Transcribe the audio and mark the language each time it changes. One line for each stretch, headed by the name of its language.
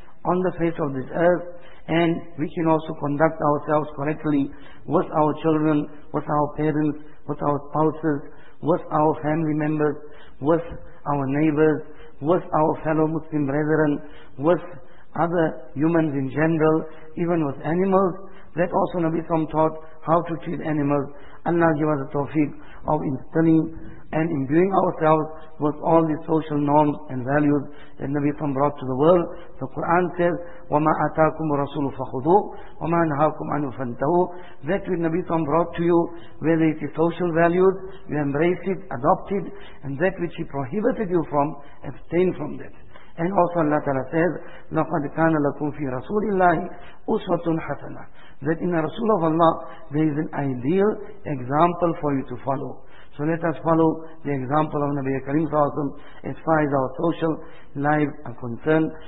English: on the face of this earth, and we can also conduct ourselves correctly with our children, with our parents, with our spouses, with our family members, with our neighbors, with our fellow Muslim brethren, with other humans in general, even with animals. That also Nabi Sallam taught how to treat animals. Allah give us the tawfiq of instilling and imbuing ourselves with all the social norms and values that Nabi Sallam brought to the world. The Quran says,
Arabic: وَمَا أَتَاكُمُ الرَّسُولُ فَخُذُوهُ وَمَا نَهَاكُمْ عَنْهُ فَانْتَهُوا.
English: That which Nabi Sallam brought to you, whether it is social values, you embrace it, adopt it, and that which he prohibited you from, abstain from that. And also Allah Ta'ala says,
Arabic: لَقَدْ كَانَ لَكُمْ فِي رَسُولِ اللَّهِ أُسْوَةٌ حَسَنَةٌ.
English: That in the Rasul of Allah, there is an ideal example for you to follow. So let us follow the example of Nabi Karim Sallallahu Alaihi Wasallam as far as our social lives are concerned.